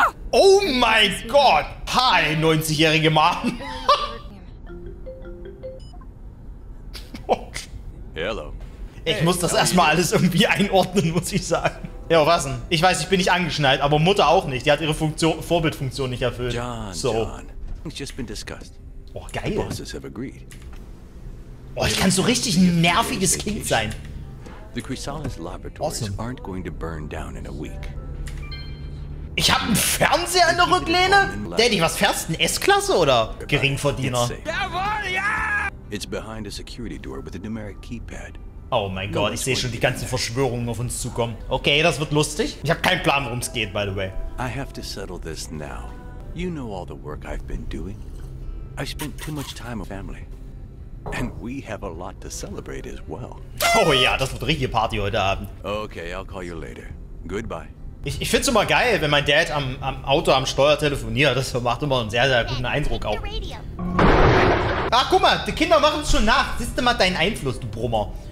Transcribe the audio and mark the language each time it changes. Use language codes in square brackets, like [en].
[de] Oh mein Gott! Hi, 90-jährige Mann! [en] Hello. [de] Ich muss das erstmal alles irgendwie einordnen, muss ich sagen. Jo, was denn? Ich weiß, ich bin nicht angeschnallt, aber Mutter auch nicht. Die hat ihre Vorbildfunktion nicht erfüllt. [en] John, it's just been discussed. [de] Oh, geil. [en] Bosses have agreed. [de] Oh, ich kann so richtig ein nerviges Kind sein. [en] The Chrysalis Laboratories aren't going to burn down in a week. [de] Ich hab einen Fernseher in der Rücklehne? Daddy, was fährst du? Eine S-Klasse oder Geringverdiener? Jawohl, ja! [en] It's behind a security door with a numeric keypad. [de] Oh mein Gott, ich sehe schon die ganzen Verschwörungen auf uns zukommen. Okay, das wird lustig. Ich hab keinen Plan, worum es geht, [en] by the way. I have to settle this now. You know all the work I've been doing. I spent too much time with family. And we have a lot to celebrate as well. [de] Oh ja, das wird richtige Party heute Abend. [en] Okay, I'll call you later. Goodbye. [de] Ich find's immer geil, wenn mein Dad am Auto am Steuer telefoniert. Das macht immer einen sehr, sehr guten Eindruck auf. Ach, guck mal, die Kinder machen's schon nach. Siehst du mal deinen Einfluss, du Brummer.